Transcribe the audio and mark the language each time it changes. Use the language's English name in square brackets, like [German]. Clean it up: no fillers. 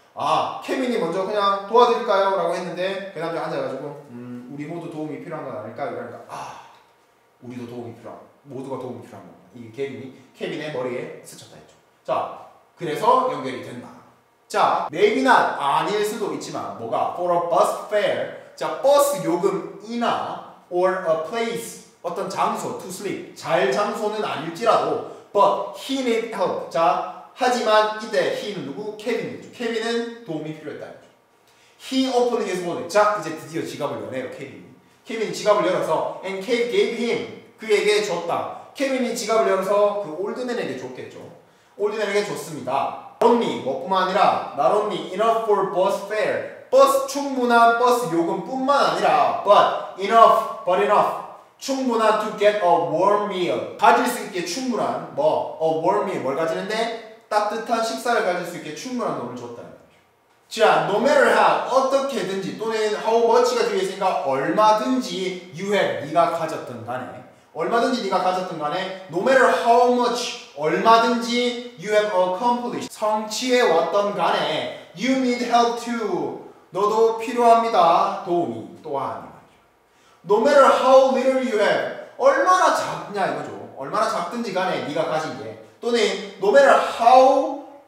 [Korean] 아, 케빈이 먼저 그냥 도와드릴까요? 라고 했는데, 그 남자 앉아가지고, 우리 모두 도움이 필요한 건 아닐까요? 이러니까, 아, 우리도 도움이 필요한, 모두가 도움이 필요한 겁니다. 이 케빈이 케빈의 머리에 스쳤다 했죠. 자, 그래서 연결이 된다. 자, [English] maybe not, [Korean] 아닐 수도 있지만 뭐가? [English] For a bus fare, 자, [Korean] 버스 요금이나 [English] or a place, 어떤 장소, to sleep, [Korean] 잘 장소는 아닐지라도 [English] but he need help, 자, 하지만 이때 he는 누구? [Korean] 케빈이죠. 케빈은 도움이 필요했다. [English] He opened his wallet, [Korean] 자, 이제 드디어 지갑을 여네요, 케빈이. 케빈이 지갑을 열어서 [English] and Kate gave him, [Korean] 그에게 줬다. 케빈이 지갑을 열어서 그 올드맨에게 줬겠죠. 올드맨에게 줬습니다. [English] Not only, [Korean] 뭐뿐만 아니라 [English] Not only enough for bus fare. [Korean] 버스 충분한 버스 요금뿐만 아니라 But enough 충분한 [English] to get a warm meal. [Korean] 가질 수 있게 충분한 뭐 A warm meal. 뭘 가지는데? 따뜻한 식사를 가질 수 있게 충분한 돈을 줬다. 자, no matter how 어떻게든지 또는 how much가 뒤에 있으니까 얼마든지 you have 네가 가졌던 간에 얼마든지 네가 가졌던 간에 no matter how much 얼마든지 [English] you have accomplished [Korean] 성취해 왔던 간에 [English] you need help too [Korean] 너도 필요합니다 도움이 또한 no matter how little you have 얼마나 작냐 이거죠 얼마나 작든지 간에 네가 가진 게 또는 no matter how